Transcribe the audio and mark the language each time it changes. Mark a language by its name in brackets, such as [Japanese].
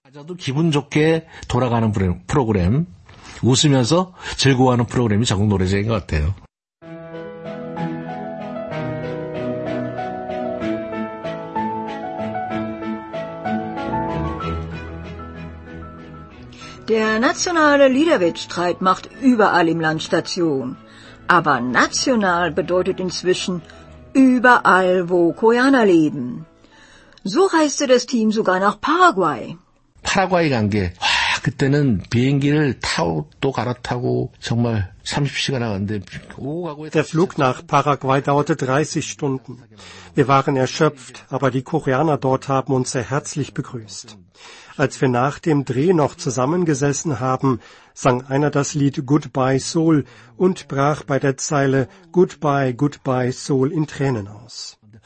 [German] Der nationale Liederwettstreit macht überall im Land Station. Aber national bedeutet inzwischen überall, wo Koreaner leben. So reiste das Team sogar nach Paraguay. [Korean] Paraguay 간 게 그때는 비행기를 타고 또 갈아타고 정말 30시간 하는데 [German] Der Flug nach Paraguay dauerte 30 Stunden. Wir waren erschöpft, aber die Koreaner dort haben uns sehr herzlich begrüßt. Als wir nach dem Dreh noch zusammengesessen haben, sang einer das Lied Goodbye Seoul und brach bei der Zeile Goodbye, Goodbye Seoul in Tränen aus.